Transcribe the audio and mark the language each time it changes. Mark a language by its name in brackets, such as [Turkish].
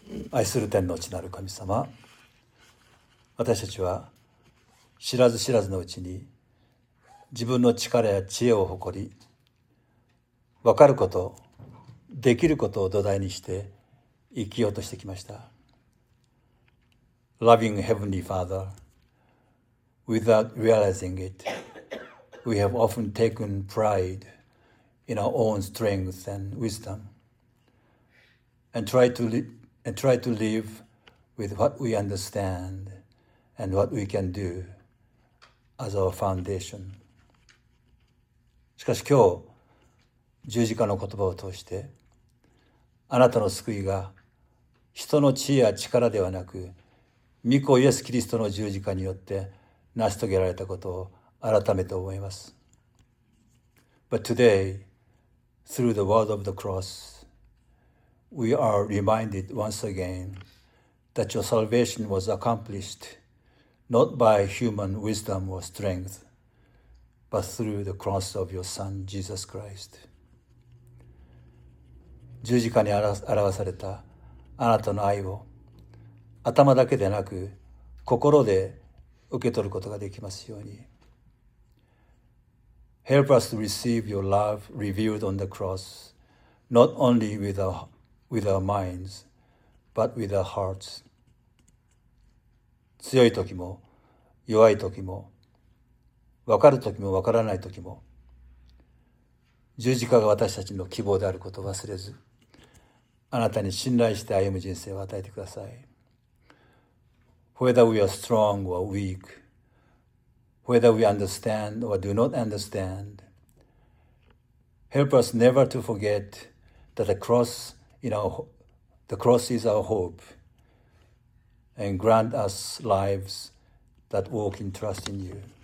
[Japanese] 愛する天の地なる神様、私たちは知らず知らずのうちに自分の力や知恵を誇り、分かることできることを土台にして生きようとしてきました。 [English] Loving Heavenly Father, without realizing it, we have often taken pride in our own strength and wisdom, and try to live with what we understand and what we can do as our foundation. [Japanese] しかし今日、十字架の言葉を通して、あなたの救いが人の知恵や力ではなく、御子イエス・キリストの十字架によって成し遂げられたことを改めて思います。 [English] But today, through the word of the cross, we are reminded once again that your salvation was accomplished not by human wisdom or strength, but through the cross of your Son, Jesus Christ. [Japanese] 十字架に表されたあなたの愛を、頭だけでなく心で受け取ることができますように。 [English] Help us to receive your love revealed on the cross, not only with our minds, but with our hearts. [Japanese] 強い時も弱い時も、分かる時も分からない時も、十字架が私たちの希望であることを忘れず、あなたに信頼して歩む人生を与えてください。 [English] Whether we are strong or weak, whether we understand or do not understand, help us never to forget that the cross is our hope, and grant us lives that walk in trust in you.